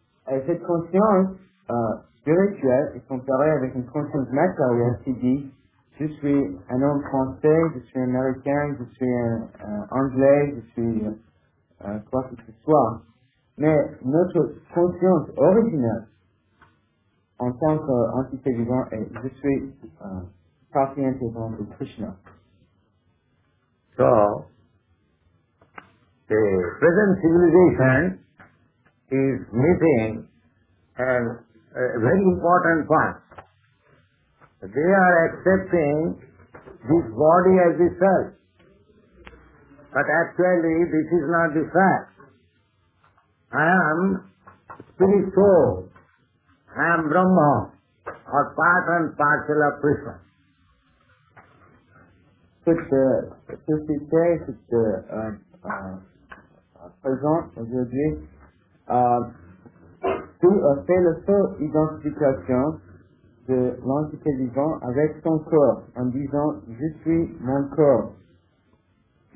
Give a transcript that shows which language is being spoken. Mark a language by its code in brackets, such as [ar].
[fr] Et cette conscience spirituelle est comparée avec une conscience matérielle qui dit je suis un homme français, je suis un américain, je suis un anglais, je suis quoi que ce soit. Mais notre conscience originelle, en tant qu'entité vivante, est je suis partie intégrante de Krishna. [en] So, the present civilization is missing a very important point. They are accepting this body as the self. But actually, this is not the fact. I am spirit soul. I am Brahma, or part and parcel of Krishna. [fr] Cette société, cette présente aujourd'hui, fait la seule identification de l'entité vivant avec son corps, en disant « je suis mon corps ».